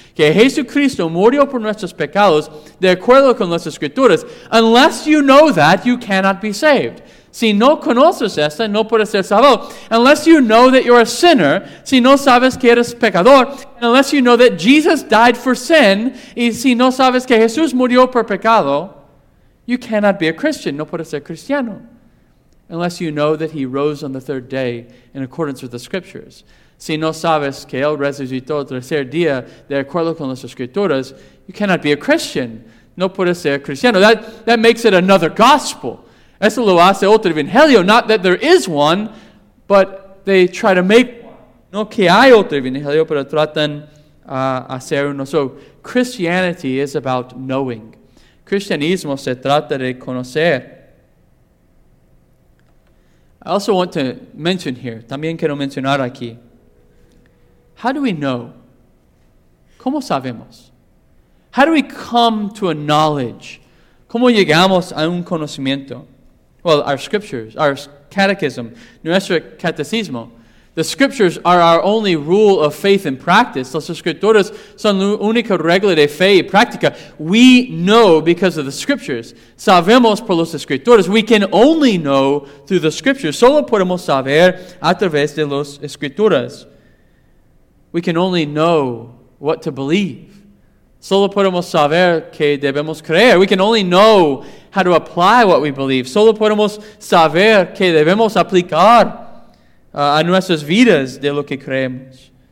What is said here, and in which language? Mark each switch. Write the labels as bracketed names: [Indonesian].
[Spanish] Que Jesucristo murió por nuestros pecados de acuerdo con las Escrituras. [English] Unless you know that, you cannot be saved. [Spanish] Si no conoces esta, no puedes ser salvo. [English] Unless you know that you're a sinner, [Spanish] si no sabes que eres pecador, [English] and unless you know that Jesus died for sin, [Spanish] y si no sabes que Jesús murió por pecado, [English] you cannot be a Christian, [Spanish] no puedes ser cristiano. [English] Unless you know that he rose on the third day in accordance with the Scriptures. [Spanish] Si no sabes que él resucitó el tercer día de acuerdo con las Escrituras, [English] you cannot be a Christian, [Spanish] no puedes ser cristiano. [English] That makes it another gospel. [Spanish] Eso lo hace otro evangelio. [English] Not that there is one, but they try to make one. [Spanish] No que hay otro evangelio, pero tratan a hacer uno. [English] So, Christianity is about knowing. [Spanish] Cristianismo se trata de conocer. [English] I also want to mention here, [Spanish] también quiero mencionar aquí. [English] How do we know? [Spanish] ¿Cómo sabemos? [English] How do we come to a knowledge? [Spanish] ¿Cómo llegamos a un conocimiento? [English] Well, our scriptures, our catechism, [Spanish] nuestro catecismo. [English] The scriptures are our only rule of faith and practice. [Spanish] Las escrituras son la única regla de fe y práctica. [English] We know because of the scriptures. [Spanish] Sabemos por las escrituras. [English] We can only know through the scriptures. [Spanish] Solo podemos saber a través de las escrituras. [English] We can only know what to believe. [Spanish] Solo podemos saber que debemos creer. [English] We can only know how to apply what we believe. [Spanish] Solo podemos saber que debemos aplicar a nuestras vidas de lo que creemos.